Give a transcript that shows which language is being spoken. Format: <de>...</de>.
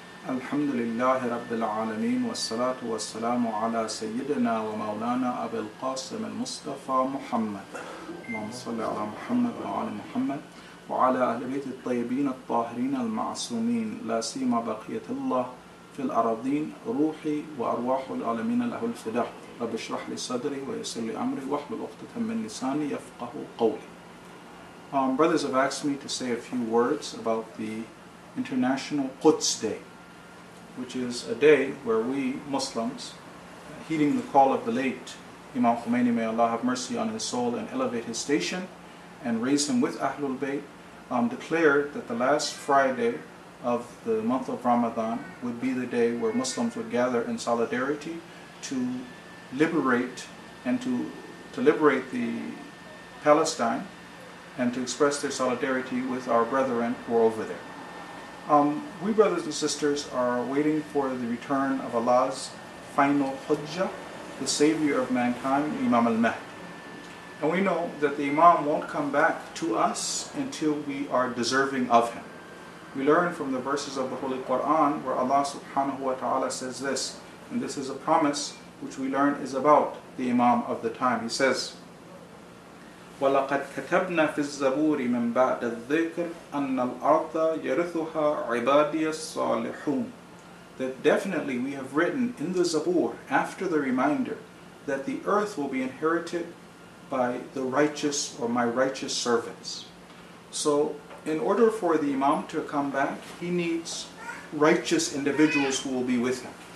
<ar>الحمد لله رب العالمين، والصلاة والسلام على سيدنا ومولانا أبي القاسم المصطفى محمد، اللهم صل على محمد وعلى محمد وعلى أهل بيت الطيبين الطاهرين المعصومين، لا سيما بقية الله في الأرضين، روحي وأرواح العالمين له الفداء. رب اشرح لي صدري ويسر لي أمري واحلل عقدة من لساني يفقه قولي.</ar> <en>Brothers have asked me to say a few words about the International Quds Day, which is a day where we Muslims, heeding the call of the late Imam Khomeini, may Allah have mercy on his soul and elevate his station and raise him with Ahlul Bayt, declared that the last Friday of the month of Ramadan would be the day where Muslims would gather in solidarity to liberate and to liberate the Palestine and to express their solidarity with our brethren who are over there. We brothers and sisters are waiting for the return of Allah's final Hujjah, the Savior of mankind, Imam al-Mahd. And we know that the Imam won't come back to us until we are deserving of him. We learn from the verses of the Holy Quran where Allah subhanahu wa ta'ala says this, and this is a promise which we learn is about the Imam of the time. He says,</en> <ar>وَلَقَدْ كَتَبْنَا فِي الزَّبُورِ مِنْ بَعْدَ الذِّكْرِ أَنَّ الْأَرْضَ يَرِثُهَا عِبَادِيَ الصَّالِحُونَ.</ar> <en>That definitely we have written in the Zabur, after the reminder, that the earth will be inherited by the righteous or my righteous servants. So in order for the Imam to come back, he needs righteous individuals who will be with him.</en>